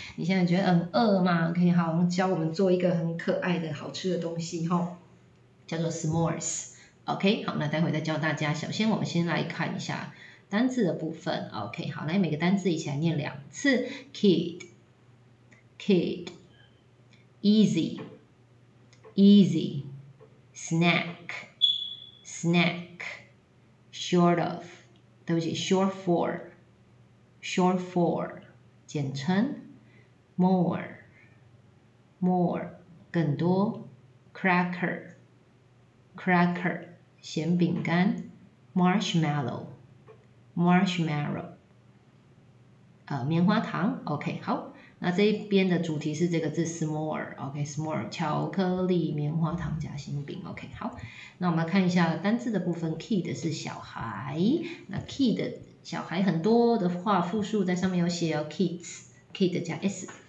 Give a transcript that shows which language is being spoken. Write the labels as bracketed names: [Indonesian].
[Chinese] 你现在觉得很饿吗？OK，好，我们教我们做一个很可爱的好吃的东西哈，叫做 s'mores。 OK，好，那待会再教大家。首先，我们先来看一下单字的部分。 OK，好，来每个单字一起来念两次：kid，kid，easy，easy。 [English] Snack, snack, short of, [Chinese] 对不起, [English] short for, [Chinese] 简称, [English] more, more, [Chinese] 更多, [English] cracker, cracker, [Chinese] 咸饼干, [English] marshmallow, marshmallow, [Chinese] 棉花糖, [English] OK, [Chinese] 好。那这一边的主题是这个字 small，OK，small，巧克力、棉花糖、夹心饼，OK，好。那我们来看一下单字的部分，kid 是小孩，那 kid 小孩很多的话，复数在上面有写哦，kids，kid 加 s。